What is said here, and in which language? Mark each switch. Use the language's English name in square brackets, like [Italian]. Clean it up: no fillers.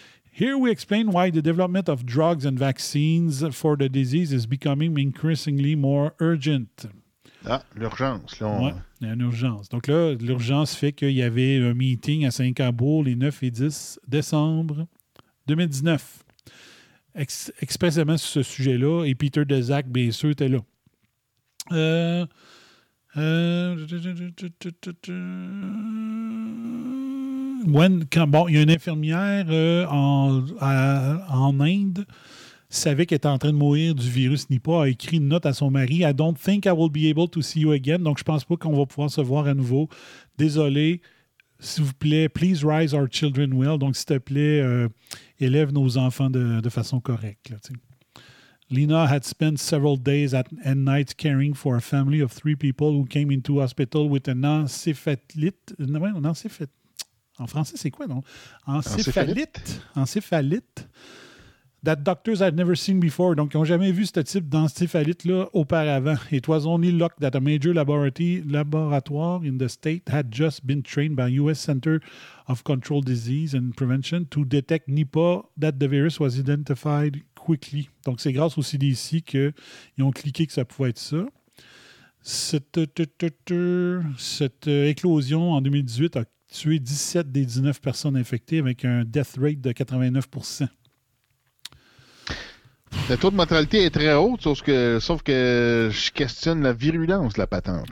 [English] Here we explain why the development of drugs and vaccines for the disease is becoming increasingly more urgent. [French] Ah, l'urgence. Là, il y a une urgence. Donc là, l'urgence fait qu'il y avait un meeting à Singapour les 9 et 10 décembre 2019. Expressément sur ce sujet-là. Et Peter Daszak, bien sûr, était là. Il y a une infirmière en Inde. Savait qu'elle était en train de mourir du virus Nipah, a écrit une note à son mari. [English] I don't think I will be able to see you again. [French] Donc, je ne pense pas qu'on va pouvoir se voir à nouveau. Désolé, s'il vous plaît, [English] please raise our children well. [French] Donc, s'il te plaît, élève nos enfants de façon correcte. [English] Là, Lena had spent several days and nights caring for a family of 3 people who came into hospital with an encéphalite. [French] Non, encéphalite. En français, c'est quoi, non? Encéphalite. Encéphalite. [English] That doctors had never seen before, [French] donc ils n'ont jamais vu ce type d'encéphalite-là auparavant. [English] It was only luck that a major laboratory in the state had just been trained by U.S. Center of Control Disease and Prevention to detect Nipah that the virus was identified quickly. [French] Donc c'est grâce au CDC qu'ils ont cliqué que ça pouvait être ça. Cette éclosion en 2018 a tué 17 des 19 personnes infectées avec un death rate de 89%. Le taux de mortalité est très haut, sauf que je questionne la virulence de la patente.